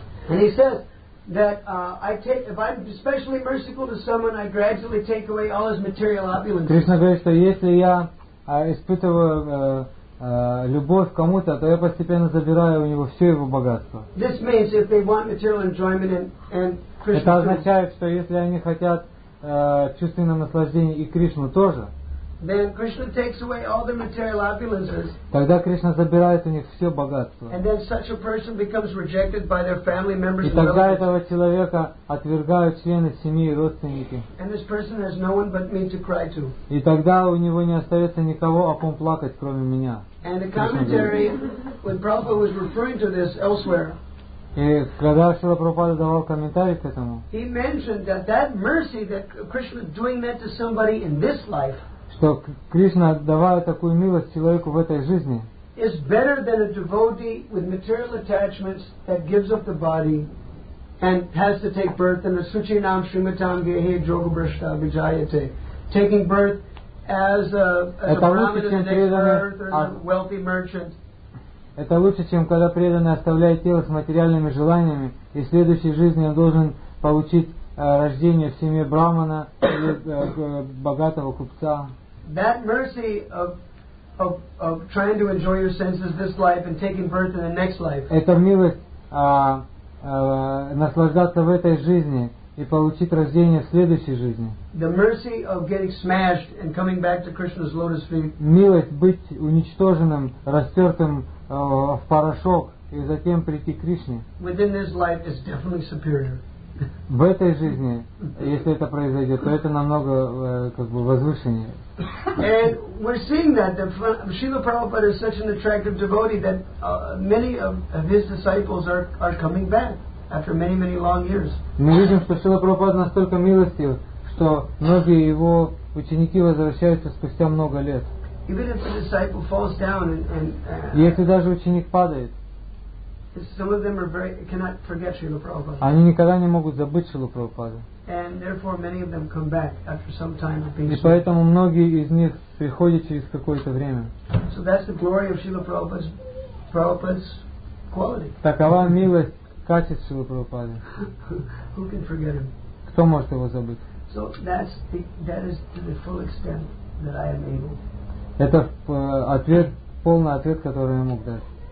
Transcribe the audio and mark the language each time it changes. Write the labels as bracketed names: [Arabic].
[English] And he says that if I'm especially merciful to someone, I gradually take away all his material opulence. [Russian] Кришна говорит, что если я испытываю любовь к кому-то, то я постепенно забираю у него все его богатство. [English] This means if they want material enjoyment and Krishna. [Russian] Это означает, что если они хотят чувственного наслаждения и Кришну тоже, [English] then Krishna takes away all their material opulences. [Russian] Тогда Кришна забирает у них все богатство. [English] And then such a person becomes rejected by their family members. [Russian] И тогда этого человека отвергают члены семьи и родственники. [English] And this person has no one but me to cry to. [Russian] И тогда у него не остается никого, о ком плакать, кроме меня. [English] And the commentary when Prabhupada was referring to this elsewhere. [Russian] И когда Шрила Прабхупада давал комментарий к этому, [English] he mentioned that mercy that Krishna doing that to somebody in this life. [Russian] Что Кришна, давая такую милость человеку в этой жизни, [English] is better than a devotee with material attachments that gives up the body and has to take birth in a [Sanskrit] suchinam shrimatam vihe jogabrishta vijayate, [English] taking birth as a prominent next birth or a wealthy merchant. [Russian] Это лучше, чем когда преданный оставляет тело с материальными желаниями и в следующей жизни он должен получить рождение в семье брахмана или богатого купца. [English] That mercy of trying to enjoy your senses this life and taking birth in the next life. [Russian] Это милость наслаждаться в этой жизни и получить рождение в следующей жизни. [English] The mercy of getting smashed and coming back to Krishna's lotus feet. [Russian] Милость быть уничтоженным, растертым в порошок и затем прийти к Кришне. [English] Within this life is definitely superior. [Russian] В этой жизни, если это произойдет, то это намного возвышеннее. [English] And we're seeing that Srila Prabhupada is such an attractive devotee that many of his disciples are coming back after many, many long years. [Russian] Мы видим, что Шрила Прабхупада настолько милостив, что многие его ученики возвращаются спустя много лет. [English] Even if the disciple falls down and [Russian] если даже ученик падает, [English] some of them cannot forget Srila Prabhupada. [Russian] Они никогда не могут забыть Шрилу Прабхупаду. [English] And therefore many of them come back after some time of being. [Russian] И поэтому многие из них приходят через какое-то время. [English] So that's the glory of Srila Prabhupada's quality. [Russian] Такова милость, качество Шрилы Прабхупады. [English] Who can forget him? [Russian] Кто может его забыть? [English] So that is to the full extent that I am able. [Russian] Это ответ, полный ответ, который я мог дать.